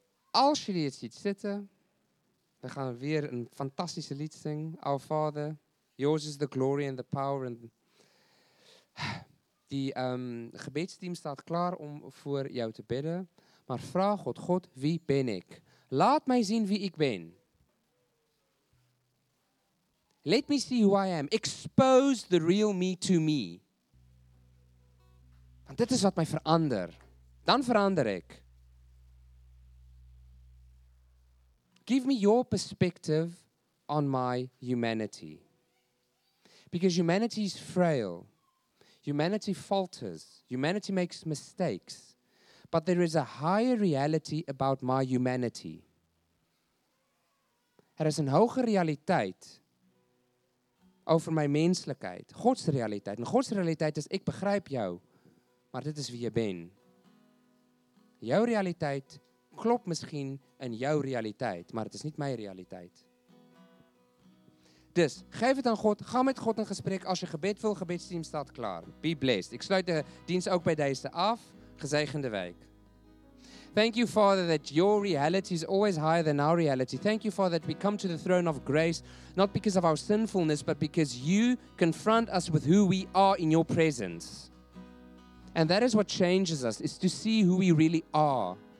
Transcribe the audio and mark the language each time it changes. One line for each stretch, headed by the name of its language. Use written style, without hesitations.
Dutch: Als je dit ziet zitten, we gaan weer een fantastische lied zingen.
English: Our Father, yours is the glory and the power.
Dutch: And die gebedsteam staat klaar om voor jou te bidden. Maar vraag God, God, wie ben ik? Laat mij zien wie ik ben.
English: Let me see who I am. Expose the real me to me.
Dutch: Want dit is wat mij verandert. Dan verander ik.
English: Give me your perspective on my humanity. Because humanity is frail. Humanity falters. Humanity makes mistakes. But there is a higher reality about my humanity.
Dutch: Er is een hogere realiteit over mijn menselijkheid. Gods realiteit. En Gods realiteit is, ik begrijp jou. Maar dit is wie je bent. Jouw realiteit klopt misschien in jouw realiteit, maar het is niet mijn realiteit. Dus, geef het aan God. Ga met God in gesprek. Als je gebed wil, gebedsteam staat klaar.
English: Be blessed.
Dutch: Ik sluit de dienst ook bij deze af. Gezegende week.
English: Thank you, Father, that your reality is always higher than our reality. Thank you, Father, that we come to the throne of grace, not because of our sinfulness, but because you confront us with who we are in your presence. And that is what changes us, is to see who we really are.